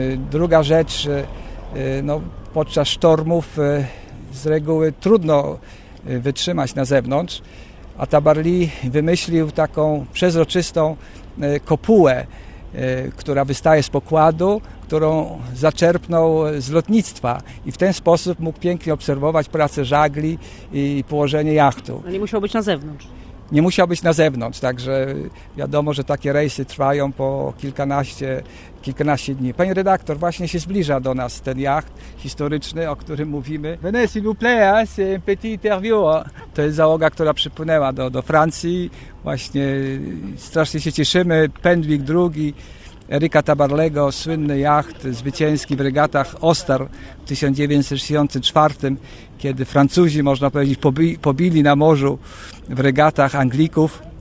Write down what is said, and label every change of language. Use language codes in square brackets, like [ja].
[pl] Druga rzecz, podczas sztormów z reguły trudno wytrzymać na zewnątrz, a Tabarly wymyślił taką przezroczystą kopułę, która wystaje z pokładu, którą zaczerpnął z lotnictwa i w ten sposób mógł pięknie obserwować pracę żagli i położenie jachtu. Ale nie musiał być na zewnątrz. Nie musiał być na zewnątrz, także wiadomo, że takie rejsy trwają po kilkanaście dni. Panie redaktor, właśnie się zbliża do nas ten jacht historyczny, o którym mówimy. [fr] Venez, s'il vous plaît, c'est un petit interview. [pl] To jest załoga, która przypłynęła do Francji. Właśnie strasznie się cieszymy. Pendik II, Erika Tabarly'ego, słynny jacht zwycięski w regatach Ostar w 1964, kiedy Francuzi, można powiedzieć, pobili na morzu w regatach Anglików.